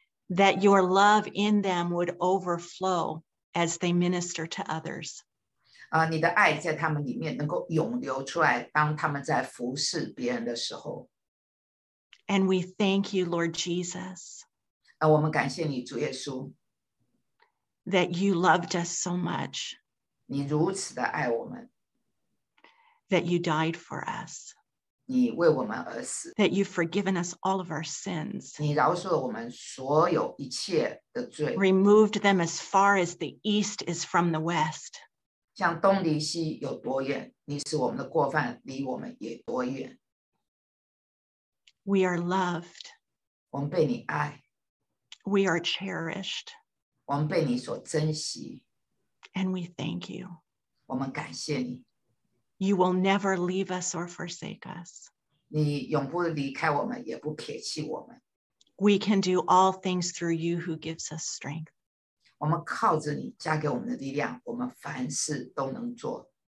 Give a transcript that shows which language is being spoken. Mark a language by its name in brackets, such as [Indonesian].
[English] That your love in them would overflow as they minister to others. [Chinese] 你的爱在他们里面能够涌流出来，当他们在服侍别人的时候。 [English] And we thank you, Lord Jesus. [Chinese] 我们感谢你，主耶稣。 [English] That you loved us so much. [Chinese] 你如此的爱我们。 [English] That you died for us. [Chinese] 你为我们而死。 [English] That you've forgiven us all of our sins. [Chinese] 你饶恕了我们所有一切的罪。 [English] Removed them as far as the east is from the west. [Chinese] 像东离西有多远，你使我们的过犯离我们也多远。 [English] We are loved. [Chinese] 我们被你爱。 [English] We are cherished. [Chinese] 我们被你所珍惜。 [English] And we thank you. [Chinese] 我们感谢你。 [English] You will never leave us or forsake us. [Chinese] 你永不离开我们，也不撇弃我们。 [English] We can do all things through you who gives us strength. [Chinese] 我们靠着你加给我们的力量，我们凡事都能做。